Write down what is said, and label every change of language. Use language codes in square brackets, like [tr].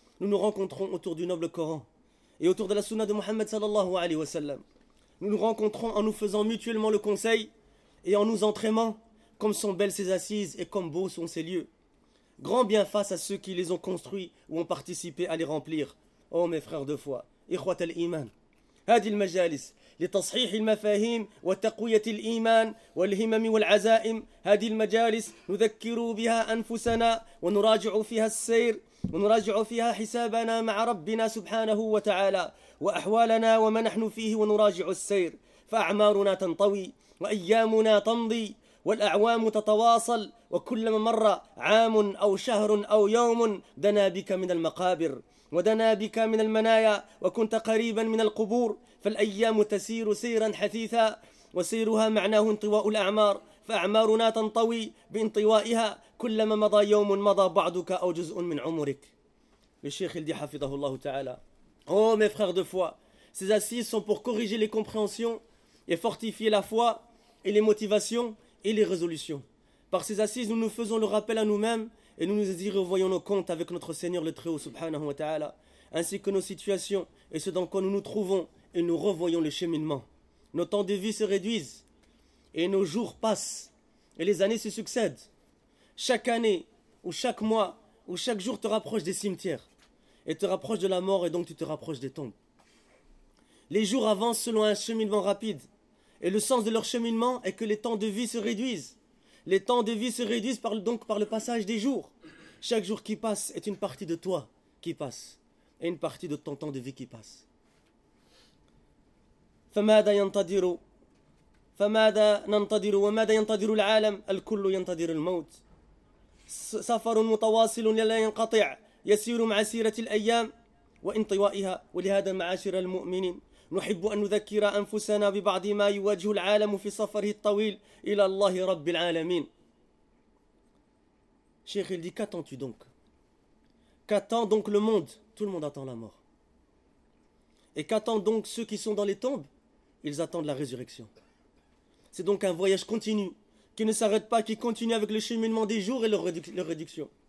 [fr] Nous nous rencontrons autour du noble Coran et autour de la sunna de Muhammad [ar] sallallahu alayhi wa sallam. [fr] Nous nous rencontrons en nous faisant mutuellement le conseil et en nous entraînant, comme sont belles ces assises et comme beaux sont ces lieux. Grand bien face à ceux qui les ont construits ou ont participé à les remplir. Oh mes frères de foi, [ar] ikhwat al-iman, hadi al-majalis li tashih al-mafahim wa taqwiyat al-iman wal-himam wal-azaim, hadi al-majalis nudhakkiru biha anfusana wa nuraji'u fiha as-sayr ونراجع فيها حسابنا مع ربنا سبحانه وتعالى وأحوالنا وما نحن فيه، ونراجع السير فأعمارنا تنطوي وأيامنا تمضي والأعوام تتواصل، وكلما مر عام أو شهر أو يوم دنا بك من المقابر ودنا بك من المنايا وكنت قريبا من القبور، فالأيام تسير سيرا حثيثا وسيرها معناه انطواء الأعمار، فأعمارنا تنطوي بانطوائها كلما مضى يوم مضى بعدك أو جزء من عمرك. الشيخ الذي حفظه الله تعالى. [fr] Oh mes frères de foi, ces assises sont pour corriger les compréhensions et fortifier la foi et les motivations et les résolutions. Par ces assises, nous nous faisons le rappel à nous-mêmes et nous nous y revoyons nos comptes avec notre Seigneur le Très-Haut [ar] subhanahu wa ta'ala, [fr] ainsi que nos situations et ce dans quoi nous nous trouvons, et nous revoyons le cheminement. Nos temps de vie se réduisent et nos jours passent, et les années se succèdent. Chaque année, ou chaque mois, ou chaque jour te rapproche des cimetières, et te rapproche de la mort, et donc tu te rapproches des tombes. Les jours avancent selon un cheminement rapide, et le sens de leur cheminement est que les temps de vie se réduisent. Les temps de vie se réduisent par le passage des jours. Chaque jour qui passe est une partie de toi qui passe, et une partie de ton temps de vie qui passe. [ar] فَمَادَ يَنْتَدِرُوا فماذا ننتظر وماذا ينتظر العالم الكل ينتظر الموت سفر متواصل لا ينقطع يسير مع سيرة الأيام وانطوائها ولهذا معاشر المؤمنين نحب أن نذكر أنفسنا ببعض ما يواجه العالم في سفره الطويل إلى الله رب العالمين. [fr] شيخ il dit qu'attends-tu donc? Qu'attend donc le monde? Tout le monde attend la mort. Et qu'attend donc ceux qui sont dans les tombes? Ils attendent la résurrection. C'est donc un voyage continu, qui ne s'arrête pas, qui continue avec le cheminement des jours et leur réduction.